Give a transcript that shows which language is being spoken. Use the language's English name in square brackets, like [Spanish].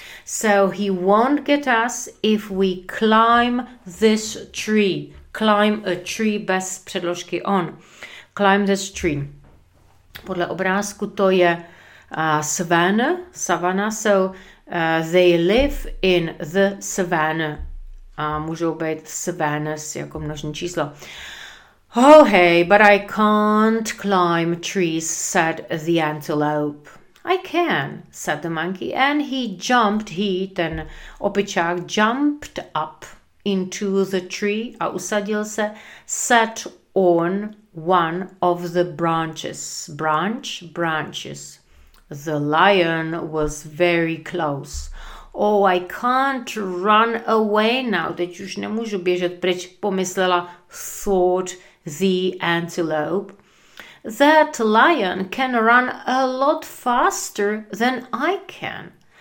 [English] So he won't get us if we climb this tree. Climb a tree [Czech] bez předložky [English] on. Climb this tree. [Czech] Podle obrázku to je savana, [English] so they live in the savannah. [Czech] A můžou být savannas jako množné číslo. [English] Oh, hey, but I can't climb trees, said the antelope. I can, said the monkey. And [Czech] ten opičák, [English] jumped up into the tree [Czech] a usadil se, [English] sat on one of the branches. Branches. The lion was very close. Oh, I can't run away now. [Czech] Teď už nemůžu běžet pryč, pomyslela, [English] thought the antelope. That lion can run a lot faster than I can.